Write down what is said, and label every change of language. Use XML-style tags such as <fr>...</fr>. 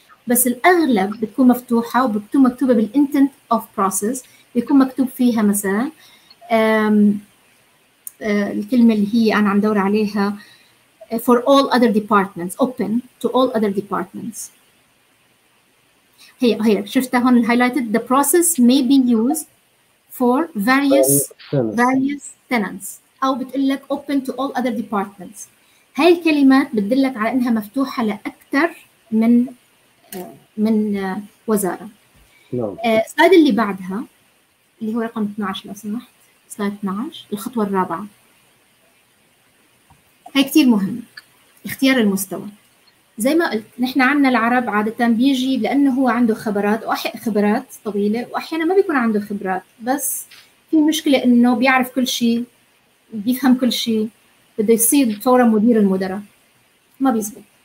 <ar>بس الأغلب بتكون مفتوحة وبتكون مكتوبة بالintent of process، بيكون مكتوب فيها مثلا الكلمة اللي هي أنا عم دور عليها،</ar> <en>for all other departments,</en> <ar>open to all other departments. هي شفتها هون highlighted،</ar> <en>the process may be used for various tenants،</en> <ar>أو بتقول لك</ar> <en>open to all other departments.</en> <ar>هاي الكلمات بتدلك على أنها مفتوحة لأكثر أكثر من وزارة. نعم. السلايد اللي بعدها اللي هو رقم 12 لو سمحت، سلايد 12، الخطوة الرابعة، هي كتير مهمة، اختيار المستوى. زي ما قلت نحن عنا العرب عادة بيجي لأنه هو عنده خبرات خبرات طويلة، وأحيانا ما بيكون عنده خبرات بس في مشكلة إنه بيعرف كل شيء، بيفهم كل شيء، بده يصير فورا مدير المدراء، ما بيزبط.</ar>